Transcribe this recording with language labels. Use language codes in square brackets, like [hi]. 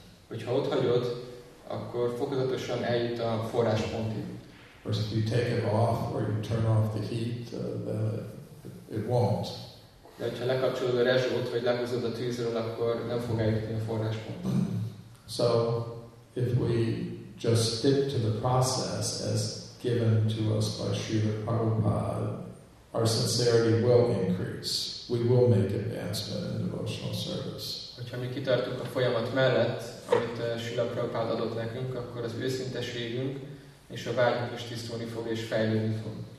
[hu] Hogyha ott hagyod, akkor fokozatosan eljut a forráspontig. [en] Or if you take it off or you turn off the heat, it won't. [hu] De ha lekapcsolod a rezsót, vagy lehúzod a tűzről, akkor nem fog eljutni a forráspont. [en] So, if we just stick to the process as given to us by Srila Prabhupada, our sincerity will increase. We will make advancement in devotional service. [hu] Hogyha mi kitartunk a folyamat mellett, amit Srila Prabhupada adott nekünk, akkor az őszinteségünk és a vágyunk is tisztulni fog és fejlődni fog.